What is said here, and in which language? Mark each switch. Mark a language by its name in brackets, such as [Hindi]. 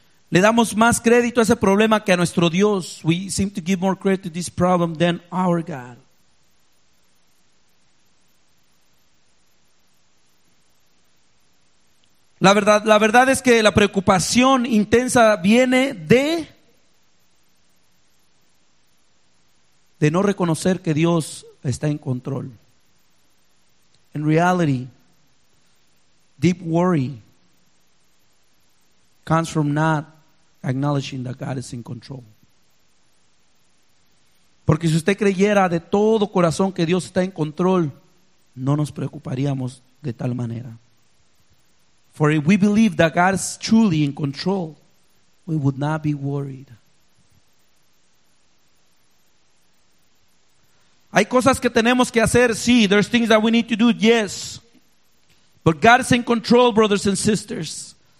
[Spanish] Le damos más crédito a ese problema que a nuestro Dios. [English] We seem to give more credit to this problem than our God. [Spanish] La verdad es que la preocupación intensa viene de no reconocer que Dios está en control. [English] In reality, deep worry comes from not acknowledging that God is in control. [Spanish] Porque si usted creyera de todo corazón que Dios está en control, no nos preocuparíamos de tal manera. [English] For if we believe that God is truly in control, we would not be worried. [Spanish] Hay cosas que tenemos que hacer, sí. [English] There's things that we need to do, yes. But God is in control, brothers and sisters.